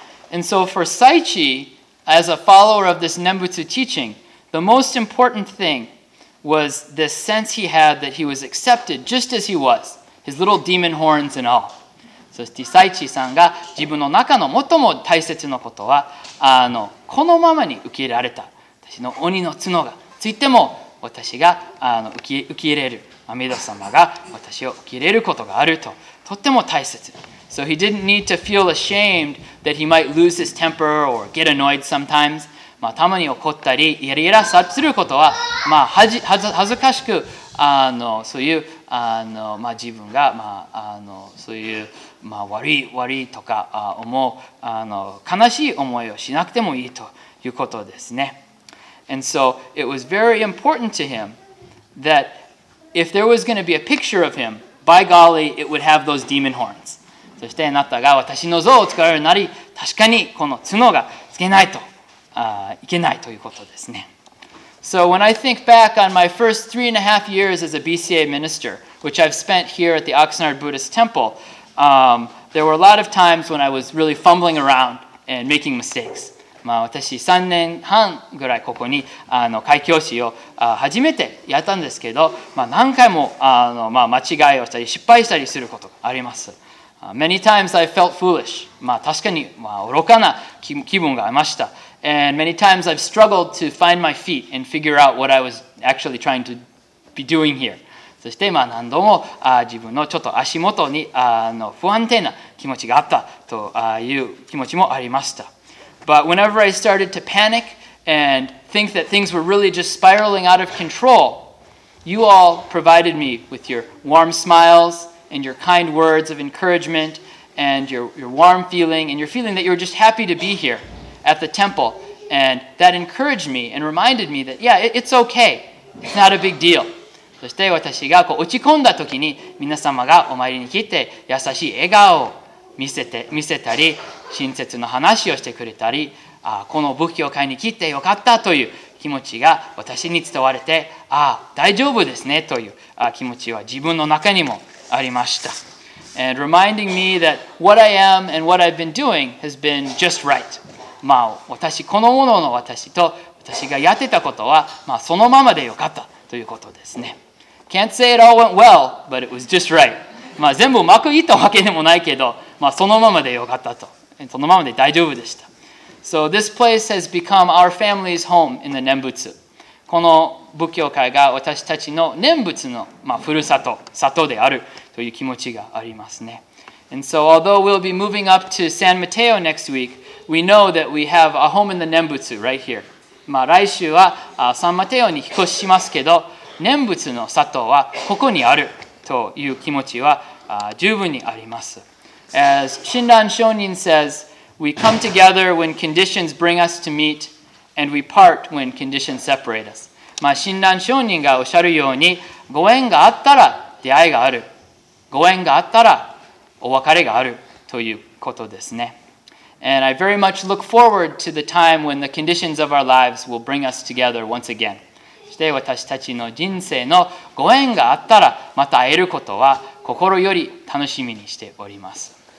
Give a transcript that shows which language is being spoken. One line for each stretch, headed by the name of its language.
English: And so for Saichi, as a follower of this Nembutsu teaching, the most important thing was this sense he had that he was accepted just as he was, his little demon horns and all.
Japanese: そして Saichi さんが自分の中の最も大切なことは、このままに受け入れられた。私の鬼の角がついても私が受け入れる。阿弥陀様が私を受け入れることがあると、とっても大切。
English: So he didn't need to feel ashamed that he might lose his temper or get annoyed sometimes.
Japanese: まあ、たまに怒ったり、イライラすることは、まあ、恥ずかしく、そういう、まあ、自分が、まあ、そういう、まあ、悪いとか、思う、悲しい思いをしなくてもいいということですね。
English: And so it was very important to him that if there was going to be a picture of him, by golly, it would have those demon horns.
Japanese: そしてあなたが私の像を作られるなり、確かにこの角がつけないといけないということですね。
English: So when I think back on my first 3.5 years as a BCA minister, which I've spent here at the Oxnard Buddhist Temple, there were a lot of times when I was really fumbling around and making mistakes.
Japanese: まあ私3年半ぐらいここに開教師を初めてやったんですけど、まあ何回もまあ間違いをしたり失敗したりすることがあります。
English: Many times I felt foolish.
Japanese: まあ確かに、まあ、愚かな気分がありました。
English: And many times I've struggled to find my feet and figure out what I was actually trying to be doing here.
Japanese: そして、まあ、何度も自分のちょっと足元に不安定な気持ちがあったという気持ちもありました。
English: But whenever I started to panic and think that things were really just spiraling out of control, you all provided me with your warm smiles,and your kind words of encouragement, and your warm feeling, and your feeling that you were just happy to be here at the temple. And that encouraged me and reminded me that, yeah, it's okay. It's not a big deal.
Japanese: そして私がこう落ち込んだ時に、皆様がお参りに来て、優しい笑顔を見せたり、親切の話をしてくれたり、この仏教会に来てよかったという気持ちが私に伝われて、大丈夫ですねという気持ちは自分の中にもありました。
English: And reminding me that what I am and what I've been doing has been just right.
Japanese: まあ、私このものの私と私がやってたことは、まあ、そのままでよかったということですね。
English: Can't say it all went well, but it was just right.
Japanese: まあ全部うまくいったわけでもないけど、まあそのままでよかったと。そのままで大丈夫でした。
English: So this place has become our family's home in the Nembutsu.
Japanese: この仏教会が私たちの念仏の、まあ、ふるさと、里であるという気持ちがありますね。
English: And so although we'll be moving up to San Mateo next week, we know that we have a home in the Nembutsu right here.
Japanese: まあ来週はサンマテオに引っ越しますけど、念仏の里はここにあるという気持ちは十分にあります。
English: As Shinran Shonin says, we come together when conditions bring us to meet, and we part when conditions separate us.
Japanese: まあ親鸞聖人がおっしゃるように、ご縁があったら出会いがある、ご縁があったらお別れがあるということですね。
English: And I very much look forward to the time when the conditions of our lives will bring us together once again.
Japanese: そして私たちの人生のご縁があったらまた会えることは心より楽しみにしております。